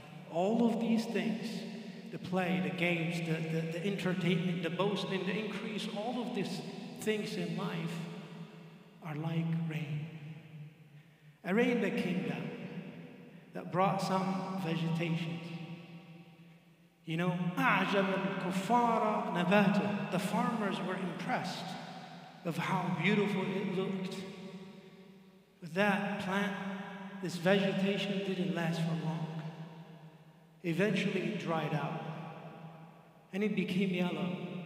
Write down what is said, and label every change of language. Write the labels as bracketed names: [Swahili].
[English] All of these things, the play, the games, the entertainment, the boasting, the increase, all of these things in life are like rain. A rain that came down, that brought some vegetation. You know, [Arabic] أعجب الكفار نباته. [English] The farmers were impressed of how beautiful it looked. But that plant, this vegetation, didn't last for long. Eventually it dried out. And it became yellow.